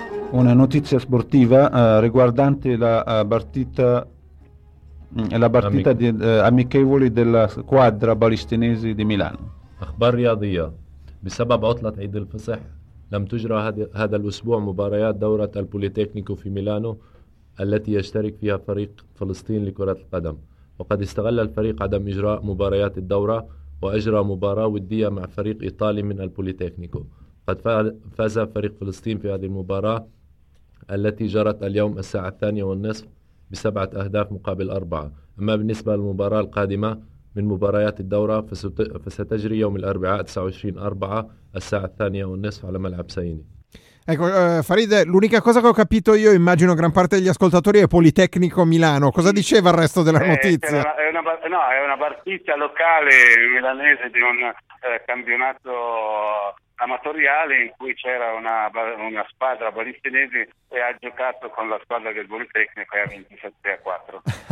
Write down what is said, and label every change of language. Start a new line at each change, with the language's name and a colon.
Italian: Una notizia sportiva riguardante la partita di amichevoli della squadra palestinese di Milano.
Arabic: اخبار رياضيه بسبب عطله عيد الفصح لم تجرى هذا الاسبوع مباريات دوره البوليتكنيكو في ميلانو التي يشترك فيها فريق فلسطين لكره القدم وقد استغل الفريق عدم اجراء مباريات الدوره واجرى مباراه وديه مع فريق ايطالي من البوليتكنيكو قد فاز فريق فلسطين في هذه المباراه التي جرت اليوم الساعة 2:30 بسبعة أهداف مقابل 4. أما بالنسبة للمباراة القادمة من مباريات الدورة فستجري يوم الأربعاء 29/4 الساعة 2:30 على ملعب سيني.
Italian: Ecco, Farid, l'unica cosa che ho capito io, immagino gran parte degli ascoltatori, è Politecnico Milano. Cosa diceva il resto della notizia? È una partita locale milanese di un campionato amatoriale in cui c'era una squadra palestinese e ha giocato con la squadra del Politecnico e ha 27-4.